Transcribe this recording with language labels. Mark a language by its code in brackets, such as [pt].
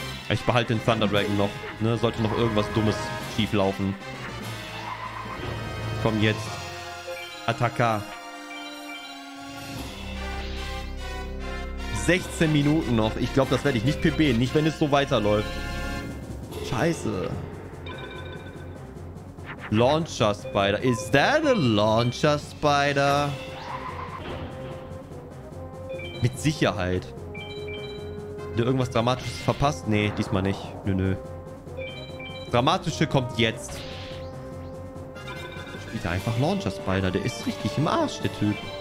[de] Ich behalte den Thunder Dragon noch. Ne? Sollte noch irgendwas Dummes schief laufen. Komm jetzt. Attacka. 16 Minuten noch. Ich glaube, das werde ich nicht PB'en. Nicht, wenn es so weiterläuft. Scheiße. Launcher Spider. [en] Is that a Launcher Spider? [de] Mit Sicherheit. Hat er irgendwas Dramatisches verpasst? Nee, diesmal nicht. Nö, nö. Dramatische kommt jetzt. Spielt er einfach Launcher Spider. Der ist richtig im Arsch, der Typ.